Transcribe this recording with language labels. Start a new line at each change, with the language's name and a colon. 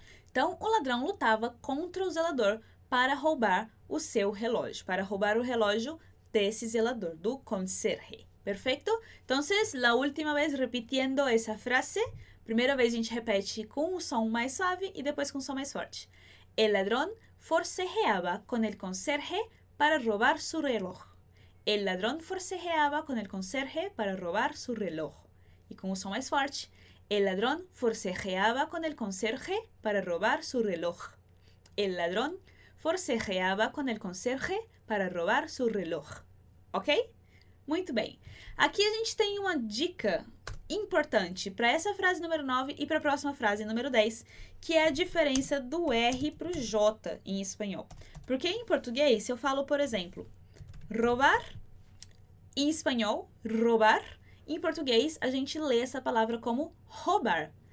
Portuguese: Então, o ladrão lutava contra o zelador para roubar o seu relógio, para roubar o relógio desse zelador, do conserje. Perfeito? Então, la última vez repetindo essa frase, primeira vez a gente repete com o som mais suave e depois com o som mais forte.
Spanish: El ladrón forcejeaba con el conserje para robar su reloj. El ladrón forcejeaba con el conserje para robar su reloj.
Portuguese: E com o som mais forte,
Spanish: el ladrón forcejeaba con el conserje para robar su reloj. El ladrón forcejeaba con el conserje para robar su reloj.
Portuguese: Ok? Muito bem. Aqui a gente tem uma dica importante para essa frase número 9 e para a próxima frase número 10, que é a diferença do R para o J em espanhol. Porque em português, se eu falo, por exemplo, roubar, em espanhol, roubar, em português, a gente lê essa palavra como roubar.